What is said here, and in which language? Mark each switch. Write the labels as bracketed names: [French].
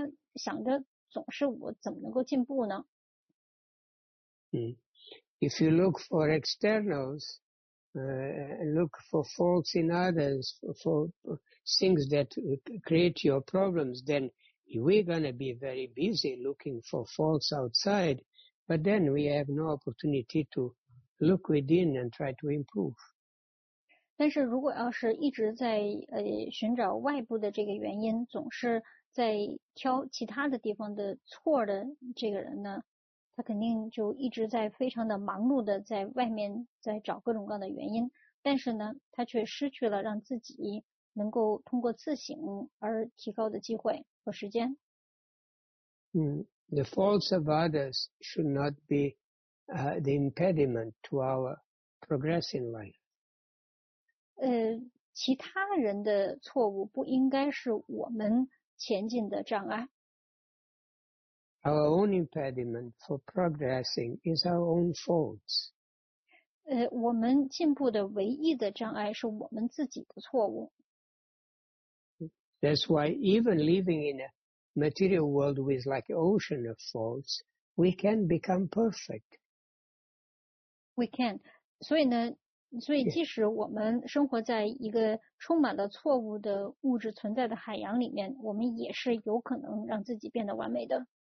[Chinese] 而且呢，就是总是想要取得进步的这些奉献者呢，他是非常的积极的，而且呢也是非常的乐观的，因为他想着总是我怎么能够进步呢？ [English] If you look for externals, look for faults in others, for things that create your problems, then we're going to be very busy looking for faults outside, but then we have no opportunity to look within and try to improve. [Chinese] 但是如果要是一直在寻找外部的这个原因，总是在挑其他的地方的错的这个人呢，他肯定就一直在非常的忙碌的在外面在找各种各样的原因，但是呢，他却失去了让自己能够通过自省而提高的机会和时间。 [English] The faults of others should not be the impediment to our progress in life. [Chinese] 其他人的错误不应该是我们前进的障碍。 [English] Our own impediment for progressing is our own faults. [Chinese] 我们进步的唯一的障碍是我们自己的错误。 [English] That's why even living in a material world with like an ocean of faults, we can become perfect. We can. [Chinese] 所以呢，所以即使我们生活在一个充满了错误的物质存在的海洋里面，我们也是有可能让自己变得完美的。